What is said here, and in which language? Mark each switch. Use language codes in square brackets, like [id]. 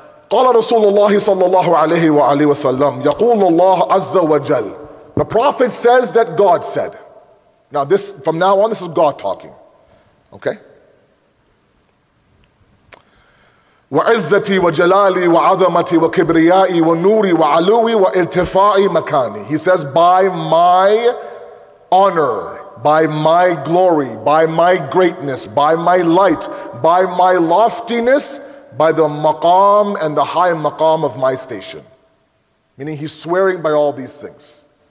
[ar] قال رسول الله صلى الله عليه وآله وسلم يقول الله عز وجل. [en] The prophet says that God said. Now this, from now on, this is God talking. Okay. [ar] وعزتي وجلالي وعظمتي وكبريائي ونوري وعلوي وارتفاعي مكاني. [en] He says, by my honor, by my glory, by my greatness, by my light, by my loftiness, by the maqam and the high maqam of my station. Meaning he's swearing by all these things.